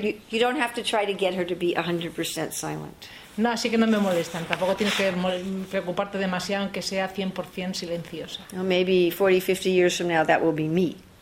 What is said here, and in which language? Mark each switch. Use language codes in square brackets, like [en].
[en] You don't have to try to get her to be 100% silent. [es] No, así que no me molestan. Tampoco tienes que preocuparte demasiado en que sea 100% silenciosa. [en] Well, maybe 40, 50 years from now that will be me.